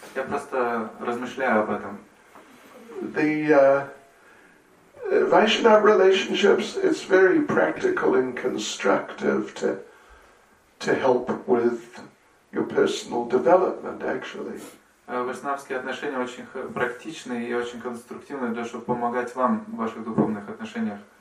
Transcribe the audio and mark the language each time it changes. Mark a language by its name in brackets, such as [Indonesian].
[Russian] Я просто размышляю об этом. [English] The Vaishnava relationships, it's very practical and constructive to help with your personal development, actually. [Russian] Вайшнавские отношения очень практичны и очень конструктивны для того, чтобы помогать вам в ваших духовных отношениях.